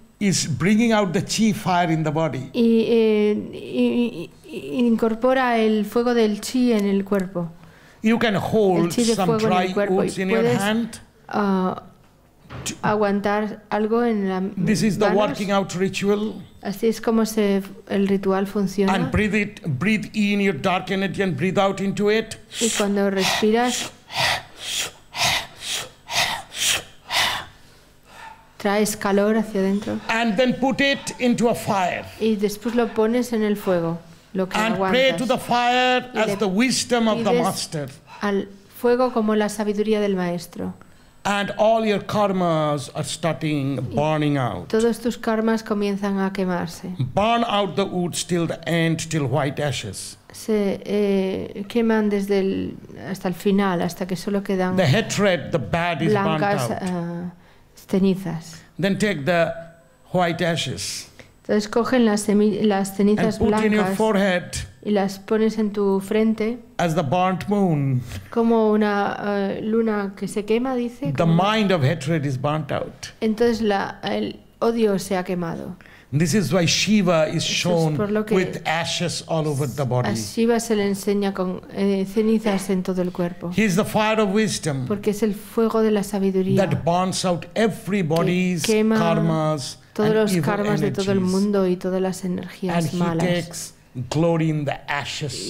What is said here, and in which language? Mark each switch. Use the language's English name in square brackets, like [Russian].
[English] is bringing out the chi fire in the body. [Spanish] Y incorpora el fuego del chi en el cuerpo. [English] You can hold [Spanish] el chi de [English] some [Spanish] fuego [English] dry [Spanish] en el cuerpo. [English] Woods in your hand. [Spanish] aguantar algo en la [English] This is the working out ritual. [Spanish] Así es como se el ritual funciona. [English] And breathe it, breathe in your dark energy and breathe out into it. [Spanish] Y cuando respiras traes calor hacia dentro. [English] And then put it into a fire. [Spanish] Y después lo pones en el fuego, lo que [English] And [Spanish] aguantas. [English] Pray to the fire as the wisdom of the master. [Spanish] Al fuego como la sabiduría del maestro. [English] And all your karmas are starting burning out. [Spanish] Todos tus karmas comienzan a quemarse. [English] Burn out the wood till the end, till white ashes. [Spanish] Se queman desde el, hasta el final, hasta que solo quedan [English] the hatred, the bad is [Spanish] blancas [English] out. [Spanish] Cenizas. [English] Then take the white ashes. [Spanish] Entonces cogen las cenizas [English] and put [Spanish] blancas [English] in your forehead [Spanish] y las pones en tu frente [English] as the burnt moon. [Spanish] Como una luna que se quema, dice. [English] The [Spanish] como [English] mind of hatred is burnt out. [Spanish] Entonces el odio se ha quemado. [English] This is why Shiva is shown with ashes all over the body. [Spanish] A Shiva se le enseña con cenizas en todo el cuerpo. [English] He is the fire of wisdom. [Spanish] Porque es el fuego de la sabiduría. [English] That burns out everybody's [Spanish] quema [English] karmas. [Spanish] Todos [English] and [Spanish] los [English] evil [Spanish] karmas [English] energies. [Spanish] De todo el mundo y todas las energías [English] and [Spanish] malas. [English] He takes glory in the ashes